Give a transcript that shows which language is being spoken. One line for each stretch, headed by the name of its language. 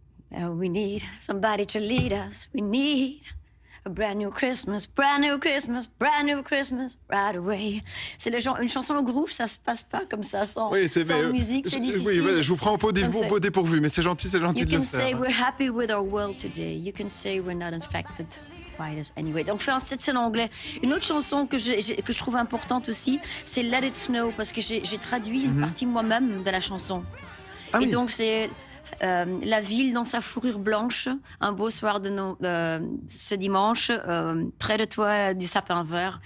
English: We need somebody to lead us. We need a brand new Christmas, brand new Christmas, brand new Christmas, right away.
French: C'est le genre, une chanson au groove, ça se passe pas comme ça, sans musique, c'est difficile. Oui, je vous prends au pot dépourvu, mais c'est gentil de le faire.
English: You can say we're happy with our world today. You can say we're not infected.
French: Anyway, donc fait un set en anglais. Une autre chanson que je trouve importante aussi, c'est Let It Snow, parce que j'ai traduit une partie moi-même de la chanson. Ah, et oui. Donc c'est la ville dans sa fourrure blanche, un beau soir de ce dimanche, près de toi du sapin vert.